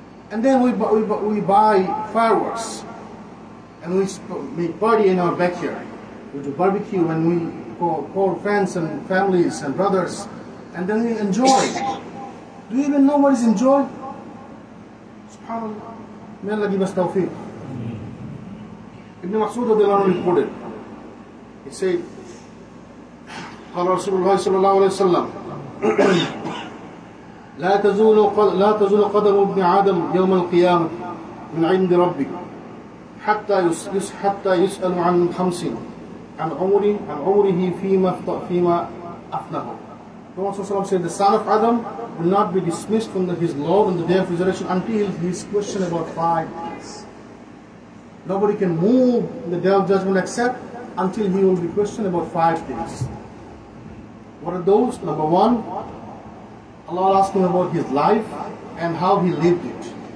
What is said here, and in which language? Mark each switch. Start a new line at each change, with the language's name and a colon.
English: And then we buy fireworks and we make party in our backyard. We do barbecue and we call friends and families and brothers, and then we enjoy. Do you even know what is enjoy? SubhanAllah. May Allah give us tawfiq. Ibn Mas'ud radiallahu anhu reported, he said,
Arabic: قال رسول الله صلى الله عليه وسلم لا تزول قدم ابن آدم يوم القيامة من عند ربك حتى يسأل عن خمس عن عمره فيما أفنه.
English: The Prophet ﷺ said, the son of Adam will not be dismissed from his Lord on the day of resurrection until he is questioned about 5 days. Nobody can move in the day of judgment except until he will be questioned about 5 days. What are those? Number one, Allah will ask him about his life and how he lived it.